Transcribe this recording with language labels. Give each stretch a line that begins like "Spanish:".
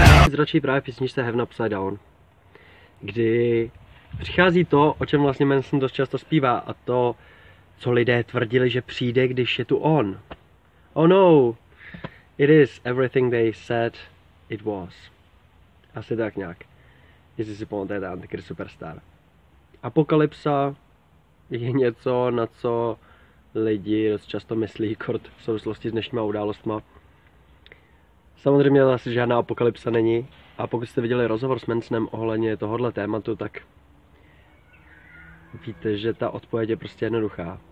Czech: Zračí právě písničce Heaven Upside Down, kdy přichází to, o čem vlastně Manson dost často zpívá, a to, co lidé tvrdili, že přijde, když je tu on.
English: Oh no, it is everything they said it was.
Czech: Asi tak nějak, jestli si pamatujete Antichrist Superstar. Apokalypsa je něco, na co lidi dost často myslí, kort v souvislosti s dnešníma událostma. Samozřejmě asi žádná apokalypsa není. A pokud jste viděli rozhovor s Mansonem ohledně tohohle tématu, tak víte, že ta odpověď je prostě jednoduchá.